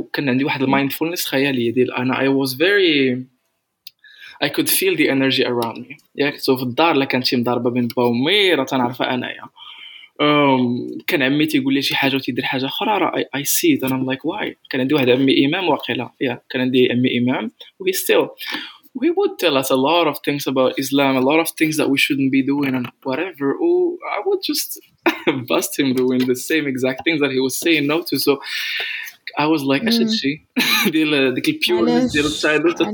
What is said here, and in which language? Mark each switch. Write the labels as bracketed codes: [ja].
[ar] كان عندي واحد المايندفولنس خيالية ديال أنا. [en] I was very I could feel the energy around me. [ar] Yeah, so في الدار لك كانت شي مضربة بين با ومي راه تنعرفها أنايا. كان عمي تيقول لي شي حاجة وتيدير حاجة أخرى راه [en] I see it and I'm like why. [ar] كان عندي واحد عمي إمام واقيلا. Yeah, كان عندي عمي إمام. [en] We would tell us a lot of things about Islam, a lot of things that we shouldn't be doing and whatever. Oh, I would just bust him doing the same exact things that he was saying no to. So I was like, I should see the pure childhood.